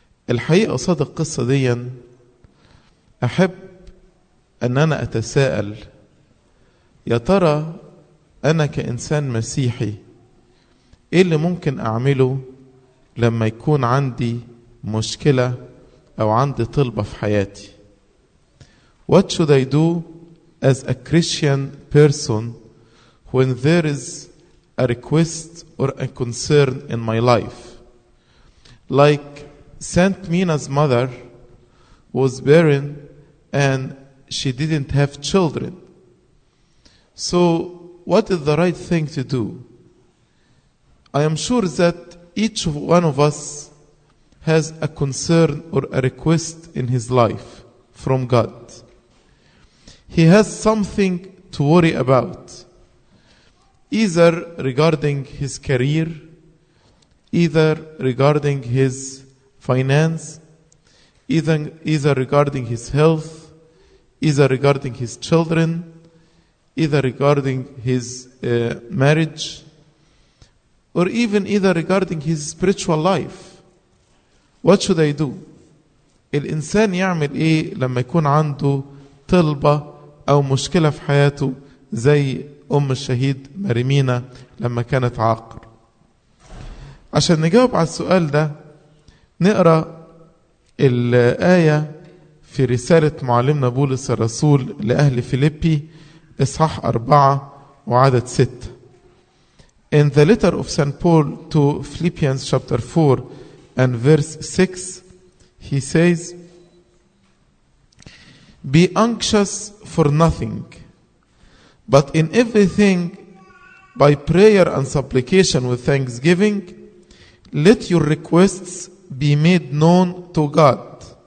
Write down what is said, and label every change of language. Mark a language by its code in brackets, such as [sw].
[ar] الحقيقة قصاد القصة دي أحب أن أنا أتساءل، يا ترى أنا كإنسان مسيحي إيه اللي ممكن أعمله لما يكون عندي مشكلة أو عندي طلبة في حياتي؟ [en] What should I do as a Christian person when there is a request or a concern in my life? Like Saint Mina's mother was barren and she didn't have children. So what is the right thing to do? I am sure that each one of us has a concern or a request in his life from God. He has something to worry about, either regarding his career, either regarding his finance, either regarding his health, either regarding his children, either regarding his marriage, or even either regarding his spiritual life. What should I do? [ar] الإنسان يعمل إيه لما يكون عنده طلبة أو مشكلة في حياته زي أم الشهيد ماريمينا لما كانت عاقر؟ عشان نجاوب على السؤال ده نقرأ الآية في رسالة معلمنا بولس الرسول لأهل فيليبي إصحاح 4 وعدد 6. [en] In the letter of St. Paul to Philippians chapter 4 and verse 6, he says, Be anxious for nothing, but in everything, by prayer and supplication with thanksgiving, let your requests be made known to God.